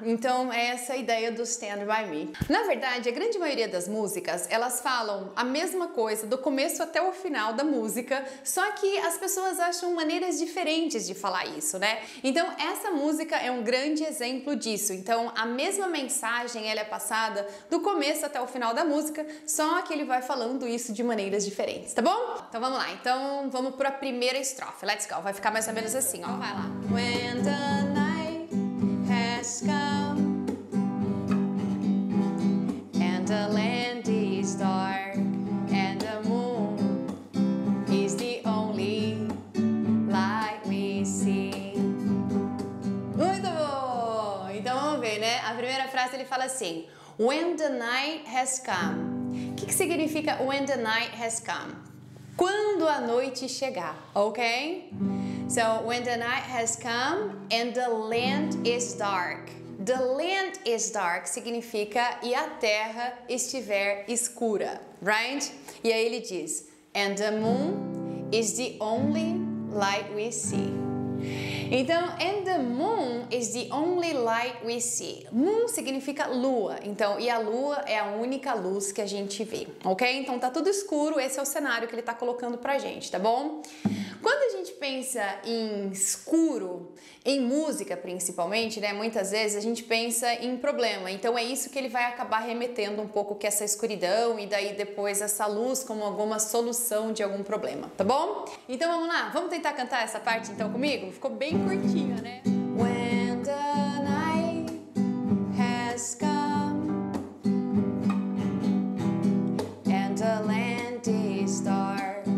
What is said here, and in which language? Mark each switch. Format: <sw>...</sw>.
<pt>Então, é essa a ideia do Stand By Me. Na verdade, a grande maioria das músicas, elas falam a mesma coisa do começo até o final da música, só que as pessoas acham maneiras diferentes de falar isso, né? Então, essa música é um grande exemplo disso. Então, a mesma mensagem, ela é passada do começo até o final da música, só que ele vai falando isso de maneiras diferentes, tá bom? Então, vamos lá. Então, vamos pra primeira estrofe.</pt> <en>Let's go.</en> <pt>Vai ficar mais ou menos assim, ó, vai lá.</pt> <en>When the night has come and the land is dark and the moon is the only light we see.</en> <pt>Muito bom! Então vamos ver, né? A primeira frase ele fala assim:</pt> <en>when the night has come.</en> <pt>O que significa</pt> <en>when the night has come?</en> <pt>Quando a noite chegar, ok?</pt> <en>So, when the night has come and the land is dark. The land is dark</en> <pt>significa e a terra estiver escura, right? E aí ele diz,</pt> <en>and the moon is the only light we see. Então, and the moon is the only light we see.</en> <pt>Moon significa lua, então, e a lua é a única luz que a gente vê, ok? Então tá tudo escuro, esse é o cenário que ele tá colocando pra gente, tá bom? Quando a gente pensa em escuro, em música principalmente, né? Muitas vezes a gente pensa em problema. Então é isso que ele vai acabar remetendo um pouco, que essa escuridão e daí depois essa luz como alguma solução de algum problema, tá bom? Então vamos lá, vamos tentar cantar essa parte então comigo? Ficou bem curtinha, né?</pt> <en>When the night has come and the land is dark.</en>